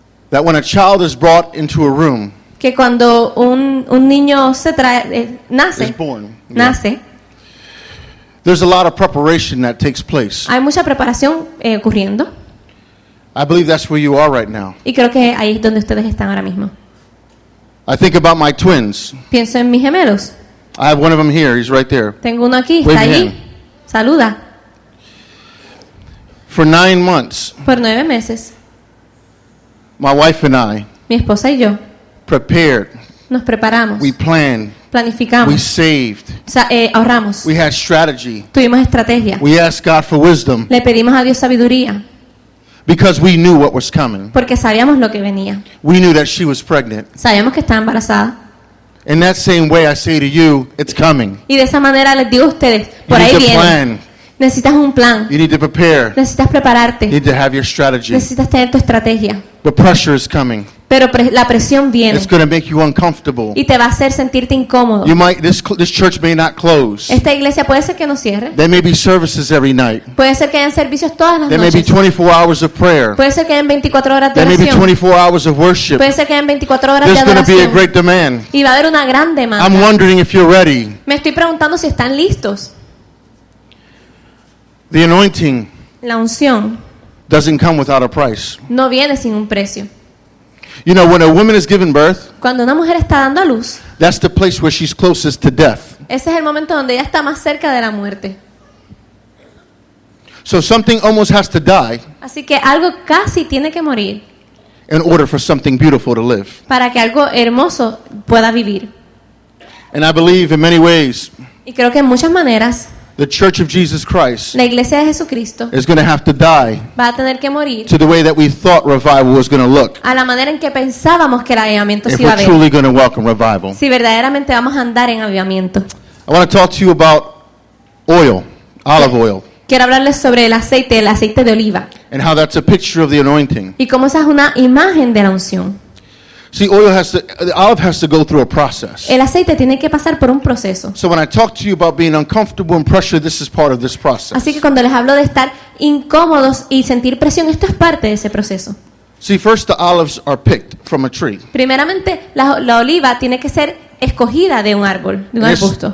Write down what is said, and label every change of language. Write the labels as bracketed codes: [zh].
[en] That when a child is brought into a room, [es] que cuando un niño se trae, nace, [en] is born, [es] nace, [en] there's a lot of preparation that takes place. [es] Hay mucha preparación ocurriendo. [en] I believe that's where you are right now. [es] Y creo que ahí es donde ustedes están ahora mismo. [en] I think about my twins. [es] Pienso en mis gemelos. [en] I have one of them here. He's right there. [es] Tengo uno aquí. Está ahí. Saluda. [en] For 9 months. [es] Por 9 meses. [en] My wife and I, [es] mi esposa y yo, [en] prepared. [es] Nos preparamos. [en] We planned. [es] Planificamos. [en] We saved. [es] Ahorramos. [en] We had strategy. [es] Tuvimos estrategia. [en] We asked God for wisdom. [es] Le pedimos a Dios sabiduría. [en] Because we knew what was coming. [es] Porque sabíamos lo que venía. [en] We knew that she was pregnant. [es] Sabíamos que estaba embarazada. [en] In that same way, I say to you, it's coming. [es] Y de esa manera les digo a ustedes, por ahí viene. [en] Plan. [es] Necesitas un plan. [en] You need to prepare. [es] Necesitas prepararte. [en] You need to have your strategy. [es] Necesitas tener tu estrategia. [en] The pressure is coming. [es] Pero la presión viene. [en] It's going to make you uncomfortable. [es] Y te va a hacer sentirte incómodo. [en] You might, this church may not close. [es] Esta iglesia puede ser que no cierre. [en] There may be services every night. [es] Puede ser que hayan servicios todas las [en] there [es] noches. [en] There may be 24 hours of prayer. [es] Puede ser que hayan 24 horas de oración. [en] There may be 24 hours of worship. [es] Puede ser que hayan 24 horas [en] There's [es] de adoración. [en] There's going to be a great demand. [es] Y va a haber una gran demanda. [en] I'm wondering if you're ready. [es] Me estoy preguntando si están listos. [en] The anointing, [es] la unción, [en] doesn't come without a price. [es] No viene sin un precio. [en] You know, when a woman is giving birth, [es] cuando una mujer está dando a luz, [en] that's the place where she's closest to death. [es] Ese es el momento donde ella está más cerca de la muerte. [en] So something almost has to die. [es] Así que algo casi tiene que morir. [en] In order for something beautiful to live. [es] Para que algo hermoso pueda vivir. [en] And I believe in many ways. [es] Y creo que en muchas maneras. [en] The Church of Jesus Christ, [es] la Iglesia de Jesucristo, [en] is going to have to die, [es] va a tener que morir, [en] to the way that we thought revival was going to look, [es] a la manera en que pensábamos que el avivamiento se iba a ver, [en] if we're truly going to welcome revival, [es] si verdaderamente vamos a andar en avivamiento. [en] I want to talk to you about oil, olive oil. [es] Quiero hablarles sobre el aceite de oliva, [en] and how that's a picture of the anointing, [es] y cómo esa es una imagen de la unción. [en] See, oil has to, the olive has to go through a process. [es] El aceite tiene que pasar por un proceso. [en] So when I talk to you about being uncomfortable and pressure, this is part of this process. [es] Así que cuando les hablo de estar incómodos y sentir presión, esto es parte de ese proceso. [en] See, first the olives are picked from a tree. [es] Primeramente, la oliva tiene que ser escogida de un árbol, de un arbusto.